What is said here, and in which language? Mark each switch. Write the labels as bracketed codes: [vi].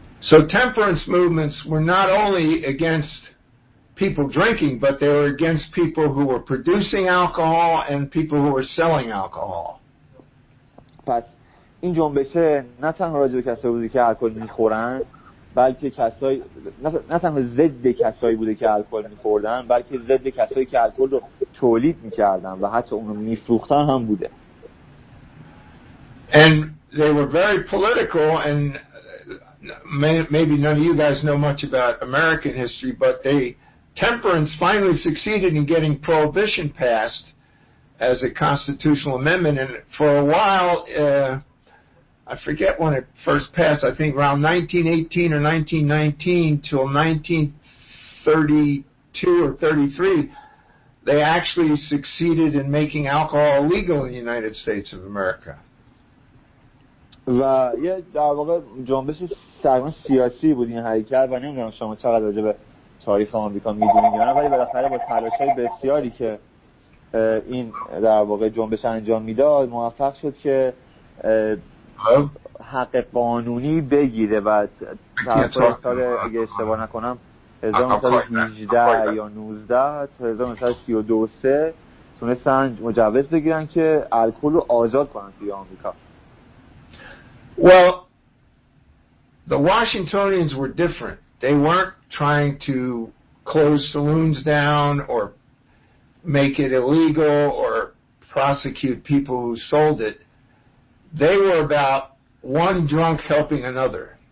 [en] So temperance movements were not only against people drinking, but they were against people who were producing alcohol and people who were selling alcohol. [fa] پس این جنبشه نه تنها راجع به کسایی بوده که الکل می‌خورن، بلکه کسایی نه تنها ضد کسایی بوده که الکل می‌خوردن، بلکه ضد کسایی که الکل رو تولید می‌کردن و حتی اون رو می‌فروختن هم بوده. [en] And they were very political, and maybe none of you guys know much about American history, but they temperance finally succeeded in getting prohibition passed as a constitutional amendment, and for a while I forget when it first passed. I think around 1918 or 1919 till 1932 or 33, they actually succeeded in making alcohol illegal in the United States of America. [fa] و یه در واقع جنبش سرگرم سیاسی بود این حرکت، و نمیدونم شما چقدر راجع به تاریخ آمریکا میدونید یا نه، ولی بالاخره با تلاش‌های بسیاری که این در واقع جنبش انجام میداد موفق شد که حق قانونی بگیره. و تاریخ اگه اشتباه نکنم 1918 یا 19 تا 1932 سه تونستن مجوز بگیرن که الکل رو آزاد کنن توی آمریکا. [en] Well, the Washingtonians were different. They weren't trying to close saloons down or make it illegal or prosecute people who sold it. They were about one drunk helping another.